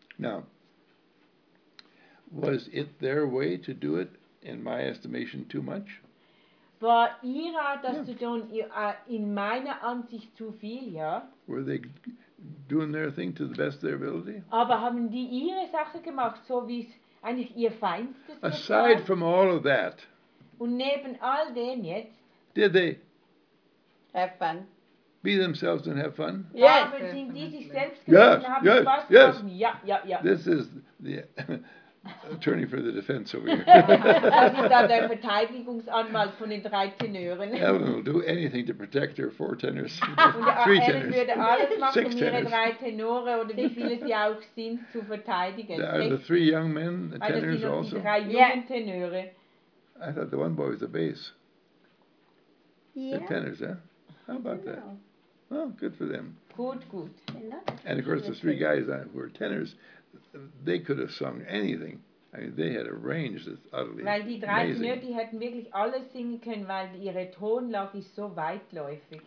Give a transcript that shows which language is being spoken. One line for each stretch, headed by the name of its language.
English: Now, was it their way to do it, in my estimation, too much?
German: War ihr Art, das zu tun, in meiner Ansicht zu viel, ja?
English: Were they doing their thing to the best of their ability?
German: Aber haben die ihre Sache gemacht, so wie es eigentlich ihr Feinstes
English: ist? Aside from all of that.
German: Und neben all dem jetzt.
English: Did they have fun? Be themselves and have fun? Yes. Yes. Yeah. This is the attorney for the defense over here.
German: Das ist dann der Verteidigungsanwalt von den drei Tenören.
English: Evelyn will do anything to protect her four tenors. Three tenors.
German: Und Evelyn würde alles machen, um ihre drei Tenore oder wie viele sie auch sind, zu verteidigen.
English: Are the three young men the tenors also?
German: Die drei jungen Tenöre.
English: I thought the one boy was a bass. Yeah. The tenors, huh? How about that? Well, good for them. Good. And of course, the three guys who were tenors, they could have sung anything. I mean, they had a range that's utterly amazing.
German: Weil die drei Tenöre, die hätten wirklich alles singen können, weil ihre Tonlage ist so weitläufig.